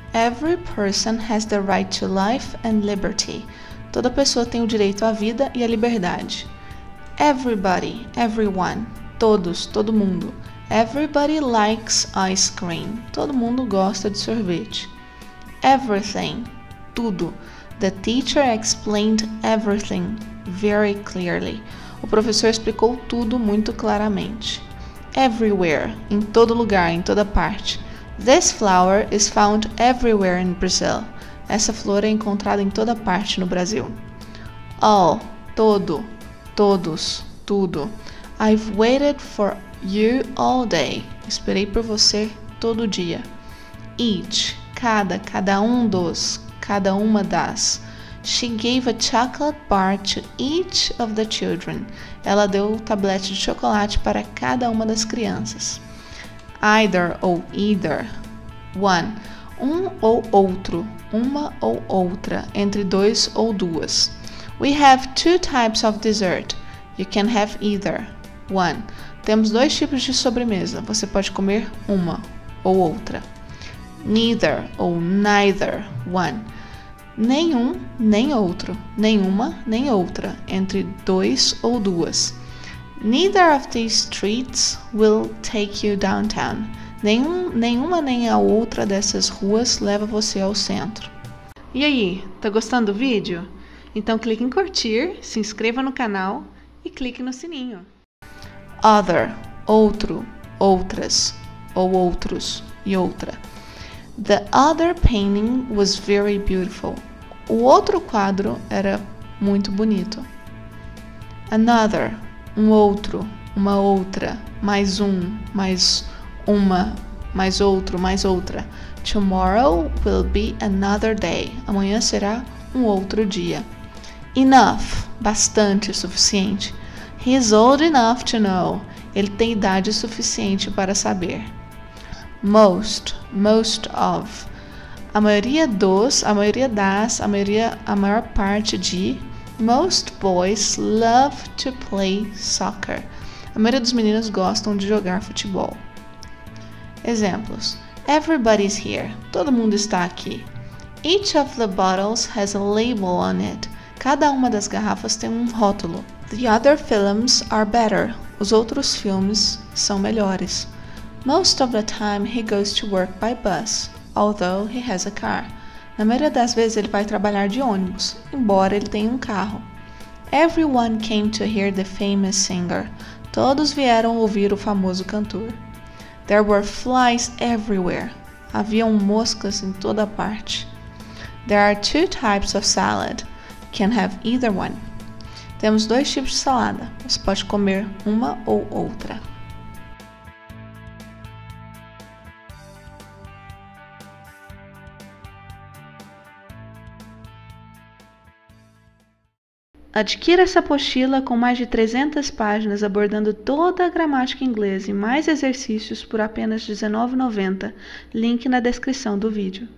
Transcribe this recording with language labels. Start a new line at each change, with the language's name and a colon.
English: Every person has the right to life and liberty.
Portuguese: Toda pessoa tem o direito à vida e à liberdade.
English: Everybody, everyone.
Portuguese: Todos, todo mundo.
English: Everybody likes ice cream.
Portuguese: Todo mundo gosta de sorvete.
English: Everything, tudo. The teacher explained everything very clearly.
Portuguese: O professor explicou tudo muito claramente. Everywhere, em todo lugar, em toda parte.
English: This flower is found everywhere in Brazil.
Portuguese: Essa flor é encontrada em toda parte no Brasil. All, todo, todos, tudo.
English: I've waited for you all day.
Portuguese: Esperei por você todo dia. Each, cada, cada um dos, cada uma das.
English: She gave a chocolate bar to each of the children.
Portuguese: Ela deu um tablete de chocolate para cada uma das crianças. Either ou either. One. Um ou outro. Uma ou outra. Entre dois ou duas.
English: We have two types of dessert. You can have either. One.
Portuguese: Temos dois tipos de sobremesa. Você pode comer uma ou outra. Neither ou neither. One. Nenhum, nem outro. Nenhuma, nem outra. Entre dois ou duas.
English: Neither of these streets will take you downtown.
Portuguese: Nenhuma nem a outra dessas ruas leva você ao centro. E aí, tá gostando do vídeo? Então clique em curtir, se inscreva no canal e clique no sininho. Other, outro, outras, ou outros, e outra.
English: The other painting was very beautiful.
Portuguese: O outro quadro era muito bonito. Another, um outro, uma outra, mais um, mais uma, mais outro, mais outra.
English: Tomorrow will be another day.
Portuguese: Amanhã será um outro dia. Enough, bastante, suficiente.
English: He's old enough to know.
Portuguese: Ele tem idade suficiente para saber.
English: Most, most of.
Portuguese: A maioria dos, a maioria das, a maioria, a maior parte de.
English: Most boys love to play soccer.
Portuguese: A maioria dos meninos gostam de jogar futebol. Exemplos.
English: Everybody's here.
Portuguese: Todo mundo está aqui.
English: Each of the bottles has a label on it.
Portuguese: Cada uma das garrafas tem um rótulo.
English: The other films are better.
Portuguese: Os outros filmes são melhores.
English: Most of the time he goes to work by bus, although he has a car.
Portuguese: Na maioria das vezes ele vai trabalhar de ônibus, embora ele tenha um carro.
English: Everyone came to hear the famous singer.
Portuguese: Todos vieram ouvir o famoso cantor.
English: There were flies everywhere.
Portuguese: Haviam moscas em toda parte.
English: There are two types of salad. Can have either one.
Portuguese: Temos dois tipos de salada. Você pode comer uma ou outra. Adquira essa apostila com mais de 300 páginas abordando toda a gramática inglesa e mais exercícios por apenas R$19,90. Link na descrição do vídeo.